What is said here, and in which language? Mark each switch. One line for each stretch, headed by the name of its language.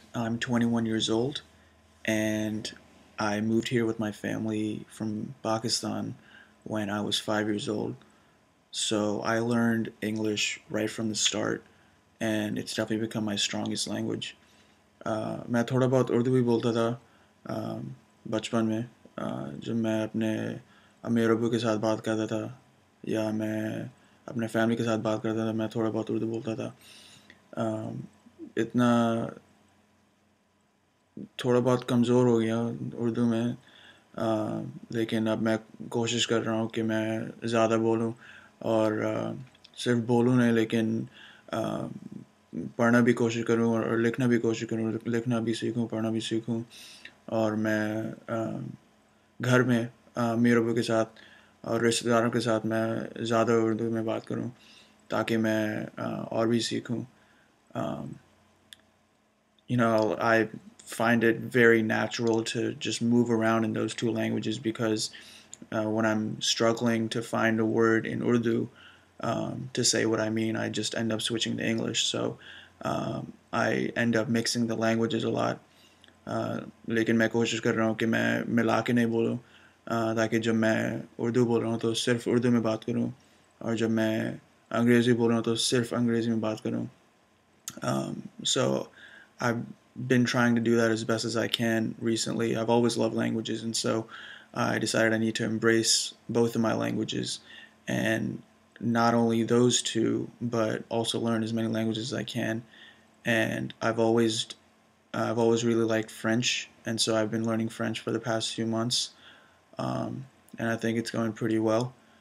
English: I'm 21 years old, and I moved here with my family from Pakistan when I was 5 years old. So I learned English right from the start, and it's definitely become my strongest language.
Hindi: मैं थोड़ा बहुत उर्दू भी बोलता था बचपन में जब मैं अपने अम्मी और अब्बू के साथ बात करता था या मैं अपने फैमिली के साथ बात करता था मैं थोड़ा बहुत उर्दू बोलता था इतना थोड़ा बहुत कमज़ोर हो गया उर्दू में लेकिन अब मैं कोशिश कर रहा हूँ कि मैं ज़्यादा बोलूँ और सिर्फ बोलूँ नहीं लेकिन पढ़ना भी कोशिश करूँ और लिखना भी कोशिश करूँ लिखना भी सीखूँ पढ़ना भी सीखूँ और मैं घर में मेरबों के साथ और रिश्तेदारों के साथ मैं ज़्यादा उर्दू में बात करूँ ताकि मैं और भी सीखूँ
English: you know, I find it very natural to just move around in those two languages because when I'm struggling to find a word in Urdu to say what I mean, I just end up switching to English. So I end up mixing the languages a lot.
Hindi: लेकिन मैं कोशिश कर रहा हूँ कि मैं मिला के नहीं बोलूँ ताकि जब मैं उर्दू बोल रहा हूँ तो सिर्फ उर्दू में बात करूँ और जब मैं अंग्रेज़ी बोल रहा हूँ तो सिर्फ अंग्रेज़ी में बात करूँ
English: so I've been trying to do that as best as I can recently. I've always loved languages, and so I decided I need to embrace both of my languages and not only those two, but also learn as many languages as I can. And I've always really liked French, and so I've been learning French for the past few months, and I think it's going pretty well.